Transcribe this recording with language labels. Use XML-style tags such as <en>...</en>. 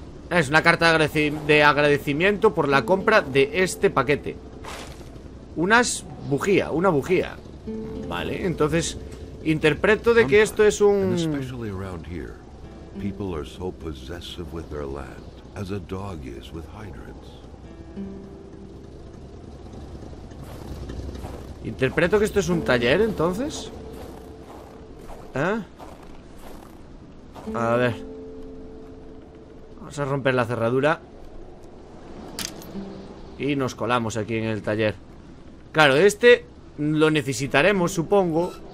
<es>Es una carta de agradecimiento por la compra de este paquete. Unas bujía, una bujía. Vale, entonces interpreto de que esto es un...</es> <en>especially around here, people are so possessive with their land. As a dog is with hydrants.</en> <es>Interpreto que esto es un taller, entonces. ¿Eh? A ver. Vamos a romper la cerradura. Y nos colamos aquí en el taller. Claro, este lo necesitaremos, supongo.</es>